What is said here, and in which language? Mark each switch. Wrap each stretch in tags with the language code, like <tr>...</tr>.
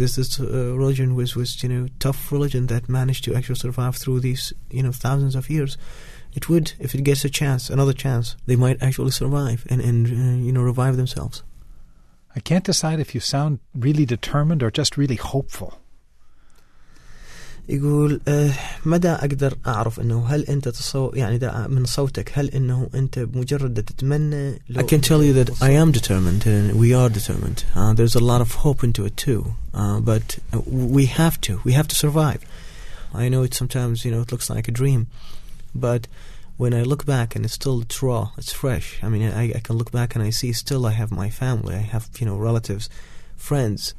<en>This religion was tough religion that managed to actually survive through these, thousands of years. It would, if it gets a chance, another chance, they might actually survive and revive themselves. I can't decide if you sound really determined or just really hopeful.</en> <ar>يقول مدى أقدر أعرف إنه هل أنت تصور يعني دا من صوتك هل إنه أنت مجرد تتمنى.</ar> <en>I can tell you that I am determined and we are determined. There's a lot of hope into it too, but we have to survive. I know it sometimes it looks like a dream, but when I look back and it's still raw, it's fresh. I mean, I can look back and I see still I have my family, I have relatives, friends.</en>